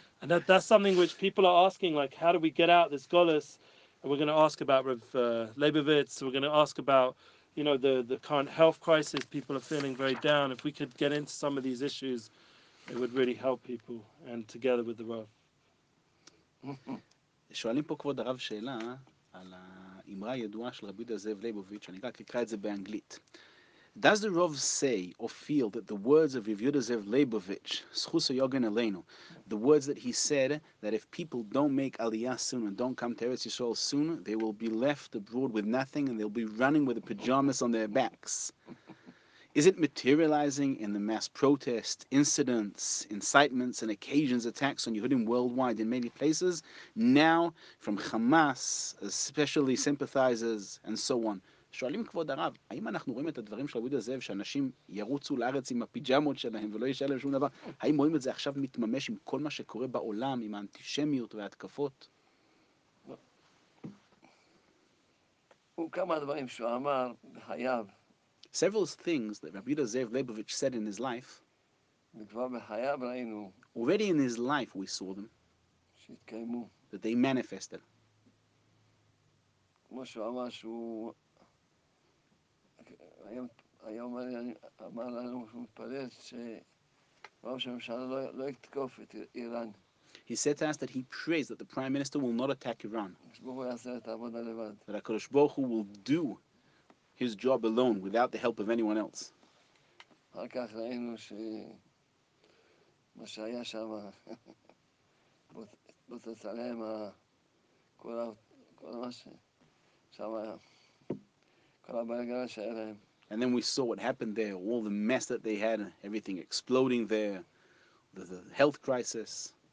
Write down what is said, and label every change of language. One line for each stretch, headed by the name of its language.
English: And that's something which people are asking, like, how do we get out this Golus? And we're going to ask about Rav Leibovitz, we're going to ask about, you know, the current health crisis, people are feeling very down. If we could get into some of these issues, it would really help people, and together with the Rav.
Hebrew: שואלים פה כבוד הרב שאלה על האמרה הידועה של רבי יהודה זאב ליבוביץ', אני רק אקרא את זה באנגלית.
English: Does the Rav say or feel that the words of Rav Yehuda Zev Leibovitz, Schuso Yogen Aleinu, the words that he said, that if people don't make Aliyah soon and don't come to Eretz Yisrael soon, they will be left abroad with nothing and they'll be running with the pajamas on their backs? Is it materializing in the mass protest, incidents, incitements and occasions, attacks on Yehudim worldwide in many places? Now, from Hamas, especially sympathizers and so on,
Hebrew: שואלים כבוד הרב, האם אנחנו רואים את הדברים של רבי יהודה זאב, שאנשים ירוצו לארץ עם הפיג'מות שלהם ולא יישאר להם שום דבר, האם רואים את זה עכשיו מתממש עם כל מה שקורה בעולם, עם האנטישמיות וההתקפות? כמה דברים שהוא אמר בחייו.
English: Several things that רבי יהודה זאב ליבוביץ' said in his life,
Hebrew: וכבר בחייו ראינו,
English: already in his life we saw them,
Hebrew: שהתקיימו,
English: that they manifested.
Hebrew: כמו שהוא אמר שהוא, היום אמר לנו שהוא מתפלל שראש הממשלה לא יתקוף את איראן.
English: He said to us that he prays that the Prime Minister will not attack Iran. That HaKadosh Baruch Hu will do his job alone without the help of anyone else.
Hebrew: אחר כך ראינו שמה שהיה שם, בוא תצלם כל מה ששם היה.
English: And then we saw what happened there, all the mess that they had, everything exploding there, the health crisis.